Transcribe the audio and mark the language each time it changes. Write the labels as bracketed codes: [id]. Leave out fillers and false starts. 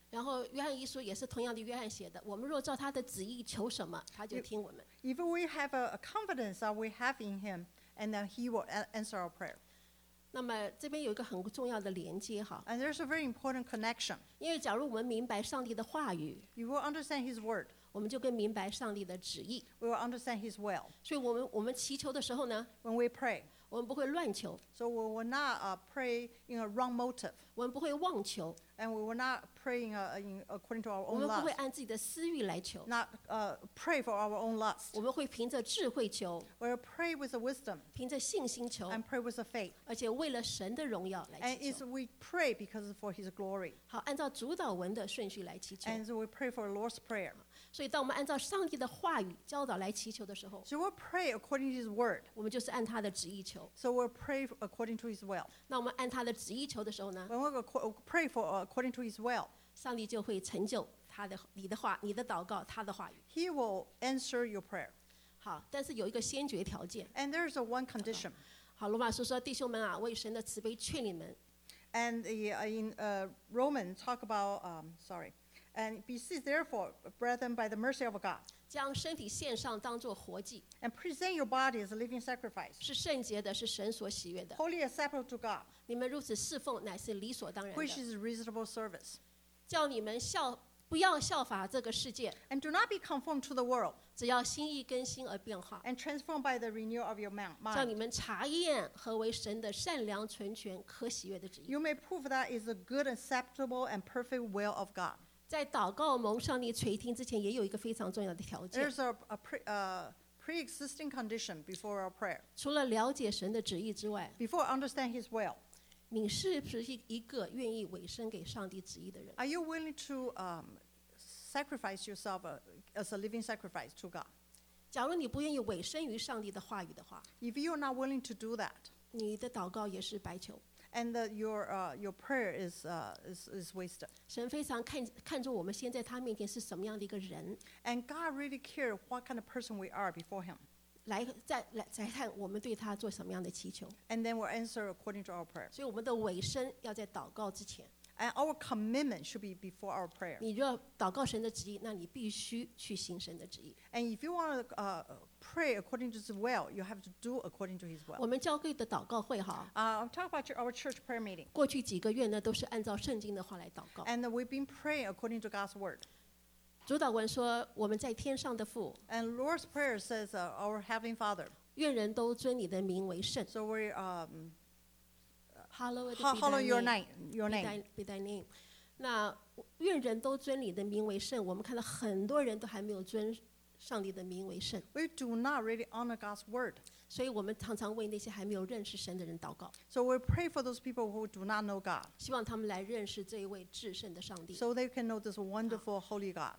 [zh] 然后约翰一书也是同样的，约翰写的，我们若照他的旨意求什么，他就听我们。 [en] If we have a confidence that we have in him, and then he will answer our prayer. [zh] 那么这边有一个很重要的连接哈。 [en] And there's a very important connection. [zh] 因为假如我们明白上帝的话语 [en] ，You will understand his word. [zh] 我们就更明白上帝的旨意。 [en] We will understand his will. [zh] 所以我们祈求的时候呢 [en] ，When we pray, [zh] 我们不会乱求。 [en] So we will not pray in a wrong motive. [zh] 我们不会妄求。 [en] And we will not pray according to our own lust. [zh] 我们不会按自己的私欲来求。 [en] Not pray for our own lust. [zh] 我们会凭着智慧求。 [en] We will pray with wisdom. [zh] 凭着信心求。 [en] And pray with faith. [zh] 而且为了神的荣耀来祈求。 [en] And is we pray because for His glory. [zh] 好，按照主导文的顺序来祈求。 [en] And we pray for the Lord's prayer. [zh] 所以当我们按照上帝的话语教导来祈求的时候。 [en] So we pray according to His word. [zh] 我们就是按他的旨意求。 [en] So we pray according to His will. [zh] 那我们按他的旨意求的时候呢。 [en] When we pray for according to his will [zh] 上帝就会成就他的你的话你的祷告他的话语 [en] he will answer your prayer [zh] 好但是有一个先决条件 [en] and there's a one condition [zh] 好，罗马书说，弟兄们啊，为神的慈悲劝你们。 [en] And in Romans talk about and beseech therefore, brethren, by the mercy of God, [zh] 将身体献上当作活祭 [en] and present your body as a living sacrifice, [zh] 是圣洁的，是神所喜悦的 [en] holy and acceptable to God, [zh] 你们如此侍奉乃是理所当然的 [en] which is reasonable service, [zh] 叫你们效不要效法这个世界 [en] and do not be conformed to the world, [zh] 只要心意更新而变化 [en] and transformed by the renewal of your mind, [zh] 叫你们查验何为神的善良纯全可喜悦的旨意 [en] you may prove that is a good acceptable and perfect will of God. [zh] 在祷告蒙上帝垂听之前，也有一个非常重要的条件。 [en] There's a pre-existing condition before our prayer. [zh] 除了了解神的旨意之外 [en] ，before understand His will， [zh] 你是不是一个愿意委身给上帝旨意的人 [en] ？Are you willing to sacrifice yourself as a living sacrifice to God？ [zh] 假如你不愿意委身于上帝的话语的话 [en] ，If you're not willing to do that， [zh] 你的祷告也是白求。 [en] And your prayer is wasted. [zh] 神非常看重我们现在他面前是什么样的一个人。 [en] And God really cares what kind of person we are before Him. [zh] 来看我们对他做什么样的祈求。 [en] And then we'll answer according to our prayer. [zh] 所以我们的委身要在祷告之前。 [en] And our commitment should be before our prayer. [zh] 你若祷告神的旨意，那你必须去行神的旨意。 [en] And if you want to pray according to His will, you have to do according to His will. [zh] 我们教会的祷告会哈。 [en] Talk about our church prayer meeting. [zh] 过去几个月呢，都是按照圣经的话来祷告。 [en] And we've been praying according to God's word. [zh] 主祷文说，我们在天上的父。 [en] And Lord's prayer says, our Heavenly Father. [zh] 愿人都尊你的名为圣。 [en] So we Hallowed be your name. Your name. Be thy name. [zh] 那愿人都尊你的名为圣。我们看到很多人都还没有尊上帝的名为圣。 [en] We do not really honor God's word. [zh] 所以我们常常为那些还没有认识神的人祷告。 [en] So we pray for those people who do not know God. [zh] 希望他们来认识这一位至圣的上帝。 [en] So they can know this wonderful holy God.